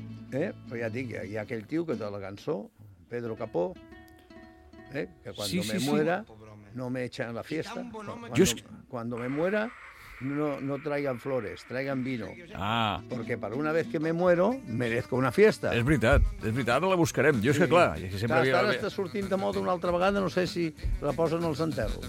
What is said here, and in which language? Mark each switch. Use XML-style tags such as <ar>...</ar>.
<ca>Però ja et dic, hi ha aquell tio que té la cançó, Pedro Capó, que quan</ca> <es>me muera no me echan la fiesta. Cuando me muera no traigan flores, traigan vino. Ah. Porque para una vez que me muero merezco una fiesta.</es> <ca>És veritat, la buscarem. Jo és que clar, sempre havia... Ara està sortint de moda una altra vegada, no sé si la posen als enterros.</ca>